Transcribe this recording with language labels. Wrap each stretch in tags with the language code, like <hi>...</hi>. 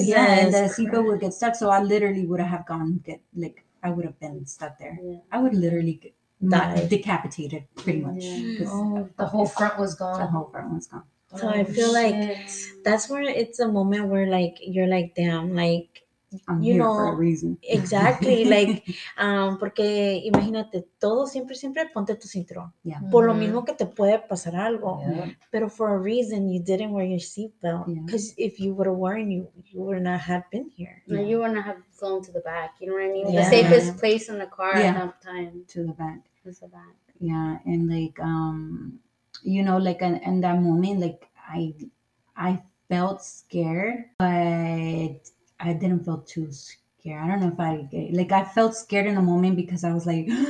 <en>Yeah, and the seatbelt would get stuck. So I literally would have I would have been stuck there. Yeah. I would literally decapitated pretty much. Yeah. Oh, the whole front was gone. The whole front was gone. So I feel like that's where it's a moment where like you're like, damn, like I'm you here know for a reason. Exactly.</en> <es>Like porque imagínate, todo siempre ponte tu cinturón.</es> <en>Yeah. Mm-hmm.</en> <es>Por lo mismo que te puede pasar algo.</es> <en>Yeah.</en> <es>Pero</es> <en>for a reason you didn't wear your seatbelt. Because yeah. If you would have worn you would not have been here. No, yeah. You would not have flown to the back. You know what I mean? Yeah. The safest place in the car yeah. enough time. To the back. To the back. Yeah, and like you know, like in that moment, like I felt scared, but I didn't feel too scared. I don't know if I felt scared in the moment because I was like,</en>